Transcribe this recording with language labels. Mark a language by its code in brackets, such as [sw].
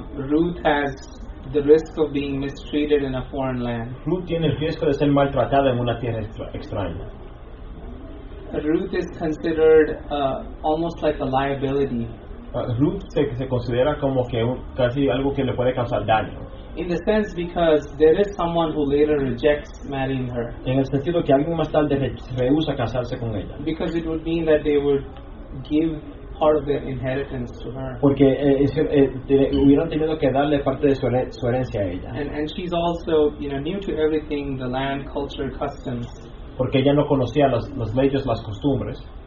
[en] Ruth has the risk of being mistreated in a foreign land. [es] Ruth tiene el riesgo de ser maltratada en una tierra extraña. [en] Ruth is considered almost like a liability. [es] Ruth se considera como que casi algo que le puede causar daño. [en] In the sense because there is someone who later rejects marrying her. [es] En el sentido que alguien más tarde rehúsa casarse con ella. [en] Because it would mean that they would give part of their inheritance to her. [es] Porque hubieran tenido que darle parte de su herencia a ella. [en] And she's also, you know, new to everything, the land, culture, customs. [es] Porque ella no conocía las leyes, las costumbres.